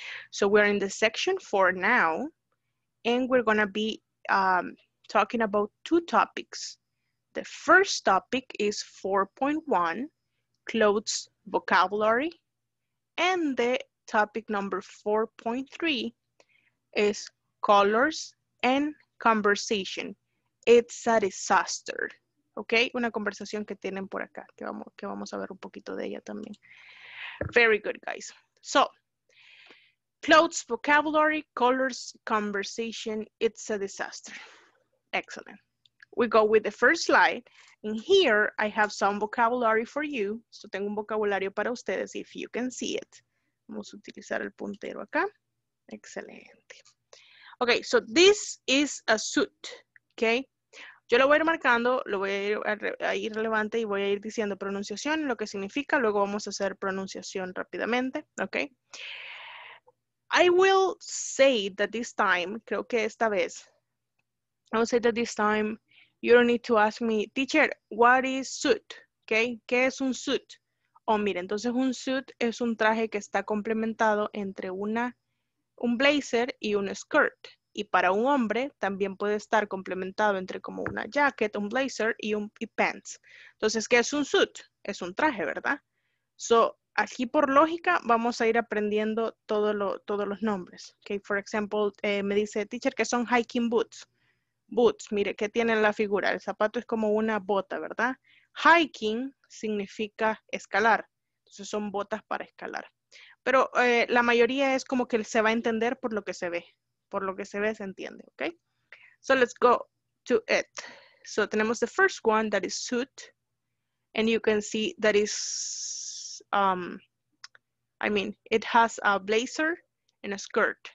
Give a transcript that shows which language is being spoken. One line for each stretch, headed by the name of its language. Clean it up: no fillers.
English: So we're in the section for now, and we're gonna be talking about two topics. The first topic is 4.1, clothes vocabulary, and the topic number 4.3 is colors and conversation. It's a disaster, okay?
Spanish: Una conversación que tienen por acá, que vamos a ver un poquito de ella también.
English: Very good, guys. So, clothes vocabulary, colors conversation, it's a disaster. Excellent. We go with the first slide, and here I have some vocabulary for you.
Spanish: So tengo un vocabulario para ustedes,
English: if you can see it.
Spanish: Vamos a utilizar el puntero acá. Excelente.
English: Okay, so this is a suit, okay?
Spanish: Yo lo voy a ir marcando, lo voy a ir relevante y voy a ir diciendo pronunciación, lo que significa, luego vamos a hacer pronunciación rápidamente, okay?
English: I will say that this time,
Spanish: creo que esta vez,
English: I will say that this time, you don't need to ask me, teacher, what is suit? Okay,
Spanish: ¿qué es un suit? Oh, mire, entonces un suit es un traje que está complementado entre un blazer y un skirt. Y para un hombre también puede estar complementado entre como una jacket, un blazer y y pants. Entonces, ¿qué es un suit? Es un traje, ¿verdad? So, aquí por lógica vamos a ir aprendiendo todos los nombres.
English: Okay, for example,
Spanish: me dice teacher que son
English: hiking boots.
Spanish: Boots, mire, ¿qué tiene en la figura? El zapato es como una bota, ¿verdad? Hiking significa escalar. Entonces son botas para escalar. Pero la mayoría es como que se va a entender por lo que se ve. Por lo que se ve se entiende, ¿ok?
English: So let's go to it. So
Spanish: tenemos
English: the first one that is suit. And you can see that is, I mean, it has a blazer and a skirt.